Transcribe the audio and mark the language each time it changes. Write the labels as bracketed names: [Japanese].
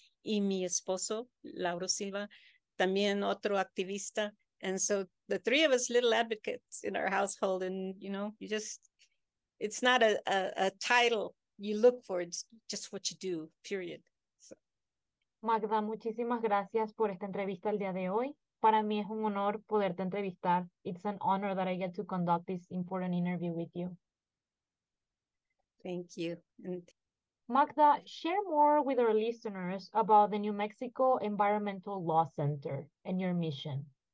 [Spanish] Y mi esposo, Lauro Silva, también otro activista. [English] And so the three of us little advocates in our household, and, you know, you just, it's not a title you look for, it's just what you do, period. So. [Spanish] Magda, muchísimas gracias por esta entrevista el día de hoy. Para mí es un honor poderte entrevistar. [English] It's an honor that I get to conduct this important interview with you. Thank you. Magda, share more with our listeners about the New Mexico Environmental Law Center and your mission.